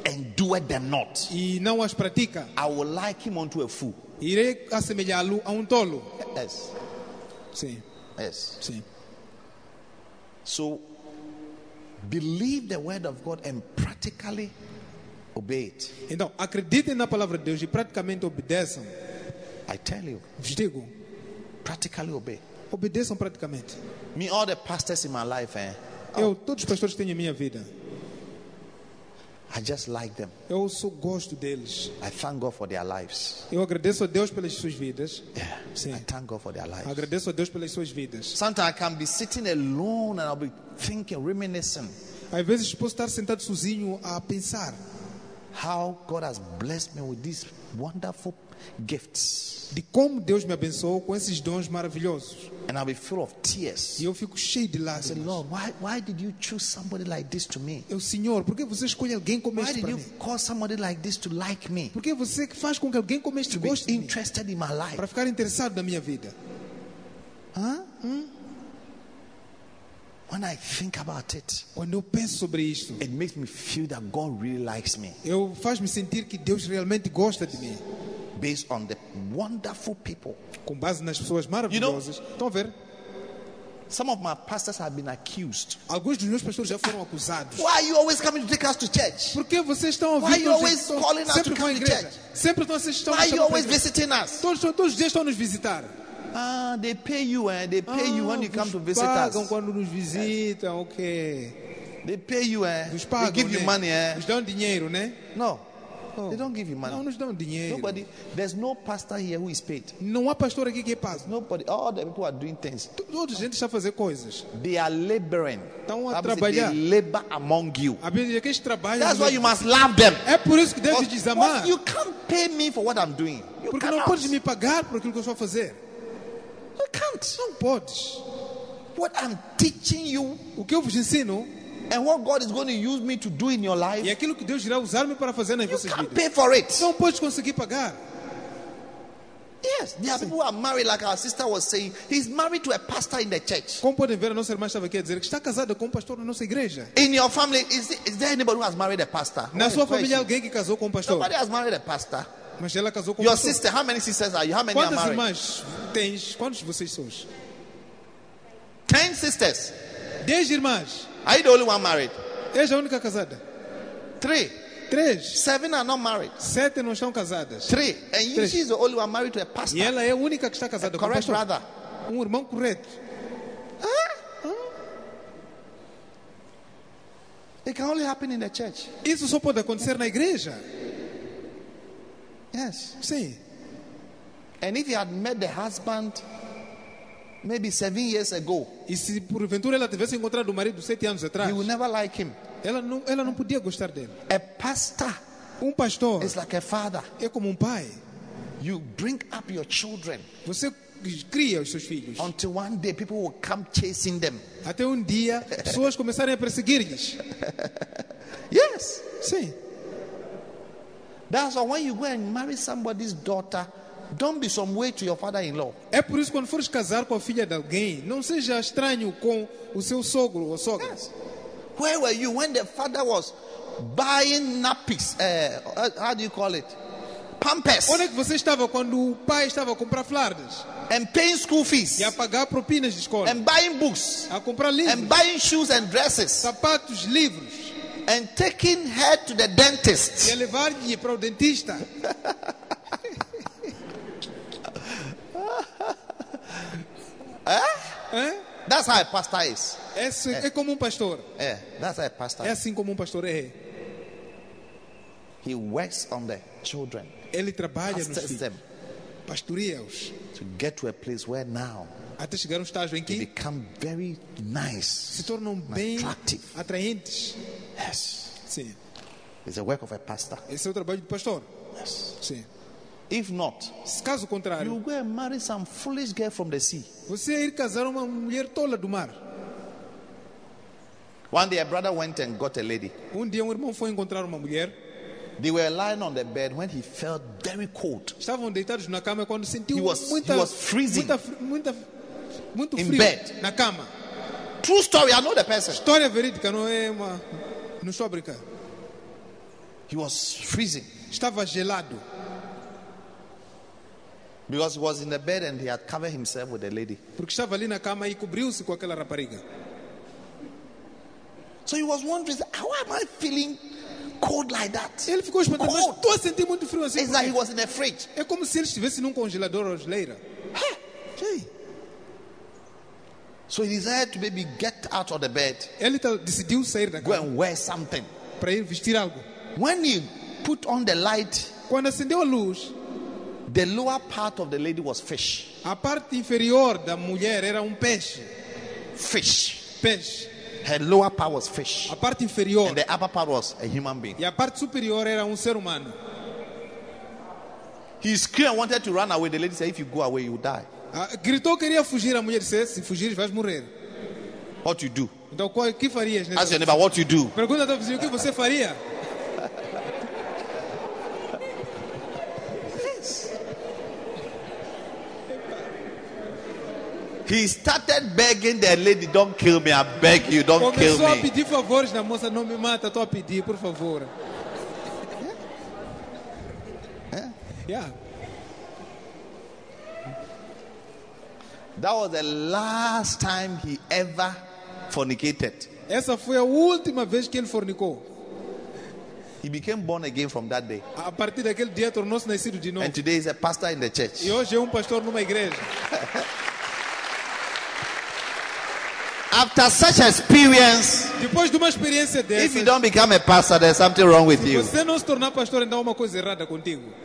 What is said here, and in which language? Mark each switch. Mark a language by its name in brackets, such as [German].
[English] And doeth them not. [Portuguese] E não as pratica. [English] I will like him unto a fool. [Portuguese] Irei assemelhá-lo a tolo. [English] Yes. [Portuguese] Sim. [English] Yes. [Portuguese] Sim. [English] So believe the word of God and practically obey it. [Portuguese] Então, acreditem na palavra de Deus e praticamente obedeçam. [English] I tell you. [Portuguese] Vos digo. [English] Practically obey. [Portuguese] Obedeçam praticamente. [English] Me all the pastors in my life, eh? [Portuguese] Eu todos os pastores que tenho em minha vida. [English] I just like them. [Portuguese] Eu só gosto deles. [English] I thank God for their lives. [Portuguese] Eu agradeço a Deus pelas suas vidas. [English] Yeah. [Portuguese] Sim. [English] I thank God for their lives. [Portuguese] Agradeço a Deus pelas suas vidas. [English] Sometimes I can be sitting alone and I'll be thinking, reminiscing. [Portuguese] Às vezes posso estar sentado sozinho a pensar [English] how God has blessed me with these wonderful gifts. [Portuguese] De como Deus me abençoou com esses dons maravilhosos. [English] And I'll be full of tears. [Portuguese] E eu fico cheio de lágrimas. [English] Say, Lord, why did you choose somebody like this to me? [Portuguese] Eu, Senhor, por que você escolhe alguém como este para mim? [English] Why did you call somebody like this to like me? [Portuguese] Por que você faz com que alguém como este goste de mim? [English] Interested in my life. [Portuguese] Para ficar interessado na minha vida. Huh? Hmm? [English] When I think about it, [Portuguese] quando eu penso sobre isto, [English] it makes me feel that God really likes me. [Portuguese] Eu faz-me sentir que Deus realmente gosta de mim. [English] Based on the wonderful people. [Portuguese] Com base nas pessoas maravilhosas. [English] You know, some of my pastors have been accused. [Portuguese] Alguns dos meus pastores já foram acusados. [English] Why are you always coming to take us to church? [Portuguese] Por que vocês estão a vir? [English] Why are you always calling us to come to church? [Portuguese] Sempre vocês estão. [English] Why are you always visiting us? [Portuguese] Todos os dias estão nos visitar. [English] Ah, they pay you, eh? They pay you when you come to visit [Portuguese] pagam [English] us. [Portuguese] Pagam quando nos visitam, [English] yes. Okay. They pay you, eh? [Portuguese] Vos pagam, [English] they give [Portuguese] né? [English] You money, eh? [Portuguese] Vos dão dinheiro, né? [English] No. They don't give you money. [Portuguese] Não nos dão dinheiro. [English] Nobody, there's no pastor here who is paid. [Portuguese] Não há pastor aqui que é pago. [English] Nobody. All the people are doing things. [Portuguese] Toda a gente está a fazer coisas. [English] They are laboring. [Portuguese] Estão a trabalhar. [English] They labor among you. [Portuguese] A Bíblia que eles trabalham. [English] That's why you must love them. [Portuguese] É por isso que deve te amar. [English] You can't pay me for what I'm doing. You [Portuguese] porque [English] cannot. [Portuguese] Não podes me pagar por aquilo que eu estou a fazer. [English] You can't. [Portuguese] Não podes. [English] What I'm teaching you. [Portuguese] O que eu vos ensino. [English] And what God is going to use me to do in your life? [Portuguese] E aquilo que Deus irá usar-me para fazer nas vossas vidas. [English] You can't pay for it. [Portuguese] Não pode conseguir pagar. [English] Yes, there are people who are married, like our sister was saying. He's married to a pastor in the church. [Portuguese] Como podem ver, a nossa irmã estava aqui a dizer que está casada com um pastor na nossa igreja. [English] In your family, is there anybody who has married a pastor? [Portuguese] Na sua família, alguém que casou com um pastor? [English] Nobody has married a pastor. [Portuguese] Mas ela casou com [English] your sister. How many sisters are you? How many are married? [Portuguese] Quantas irmãs tens? Quantos vocês são? [English] 10 sisters. [Portuguese] 10 irmãs. [English] Are you the only one married? [Portuguese] És a única casada. [English] 3. [Portuguese] 3. [English] 7 are not married. [Portuguese] 7 não estão casadas. [English] 3. And you, she is the only one married to a pastor. [Portuguese] E ela é a única que está casada com pastor. [English] Correct, brother. [Portuguese] Irmão correto. [English] It can only happen in the church. [Portuguese] Isso só pode acontecer na igreja. [English] Yes. [Portuguese] Sim. [English] And if you had met the husband maybe 7 years ago. [Portuguese] E se porventura ela tivesse encontrado o marido 7 anos atrás? [English] You would never like him. [Portuguese] Ela não podia gostar dele. [English] A pastor. [Portuguese] Um pastor. [English] Is like a father. [Portuguese] É como um pai. [English] You bring up your children. [Portuguese] Você cria os seus filhos. [English] Until one day people will come chasing them. [Portuguese] Até dia pessoas começarem a perseguir-lhes. [English] Yes. [Portuguese] Sim. [English] That's why when you go and marry somebody's daughter, don't be some way to your father-in-law. [Portuguese] É por isso que quando fores casar com a filha de alguém, não seja estranho com o seu sogro ou sogra. [English] Yes. Where were you when the father was buying nappies. How do you call it? Pampers. [Portuguese] Onde é que você estava quando o pai estava a comprar flardes? [English] And paying school fees. [Portuguese] E a pagar propinas de escola. [English] And buying books. [Portuguese] A comprar livros. [English] And buying shoes and dresses. [Portuguese] Sapatos, livros. [English] And taking her to the dentist. [Portuguese] E a levar-lhe para o dentista. [English] That's how a pastor is. [Portuguese] É como pastor. [English] Yeah, that's how a pastor. [Portuguese] É assim como pastor é. [English] He works on the children. [Portuguese] Ele trabalha nos filhos. Pastoreia-os. [English] To get to a place where now. [Portuguese] Até chegar a estágio em que. [English] They become very nice. [Portuguese] Se tornam bem atraentes. [English] Yes. [Portuguese] Sim. [English] It's the work of a pastor. [Portuguese] Esse é o trabalho do pastor. [English] Yes. [Portuguese] Sim. [English] If not, [Portuguese] caso contrário, [English] you go and marry some foolish girl from the sea. [Portuguese] Você ir casar uma mulher tola do mar. [English] One day a brother went and got a lady. [Portuguese] Dia um irmão foi encontrar uma mulher. [English] They were lying on the bed when he felt very cold. [Portuguese] Estavam deitados na cama quando sentiu [English] he was freezing. [Portuguese] Muito [English] in [Portuguese] frio [English] bed. [Portuguese] Na cama. [English] True story, I know the person. [Portuguese] História verídica, não sou a brincar. [English] He was freezing. [Portuguese] Estava gelado. [English] Because he was in the bed and he had covered himself with the lady. [Portuguese] Porque estava ali na cama e cobriu-se com aquela rapariga. [English] So he was wondering, how am I feeling cold like that? [Portuguese] Ele ficou espantado. Cold. Estou a sentir muito frio assim. [English] It's like he was in a fridge. [Portuguese] É como se ele estivesse num congelador ou geleira. [English] So he decided to maybe get out of the bed. [Portuguese] Ele decidiu sair da cama. [English] Go and wear something. [Portuguese] Para ir vestir algo. [English] When he put on the light. [Portuguese] Quando acendeu a luz. [English] The lower part of the lady was fish. [Portuguese] A parte inferior da mulher era peixe. [English] Fish. [Portuguese] Peixe. [English] Her lower part was fish. [Portuguese] A parte inferior. [English] And the upper part was a human being. [Portuguese] E a parte superior era ser humano. [English] He screamed and wanted to run away. The lady said, if you go away, you die. [Portuguese] Gritou, queria fugir. A mulher disse, se fugires, vais morrer. [English] What you do? [Portuguese] Então, o que farias? [English] Ask your neighbor, what you do? [Portuguese] Pergunta ao vizinho, o que você faria? [English] He started begging the lady, don't kill me, I beg you, don't kill me. [Portuguese] Começou a pedir favores na moça, não me mata, estou a pedir, por favor. [English] Yeah. Yeah. That was the last time he ever fornicated. [Portuguese] Essa foi a última vez que ele fornicou. [English] He became born again from that day. [Portuguese] A partir daquele dia tornou-se nascido de novo. [English] And today he's a pastor in the church. [Portuguese] E hoje é pastor numa igreja. [English] After such experience, [Portuguese] depois de uma experiência dessas, [English] if you don't become a pastor, there's something wrong with you. [Portuguese] Se você não se tornar pastor, então há uma coisa errada contigo.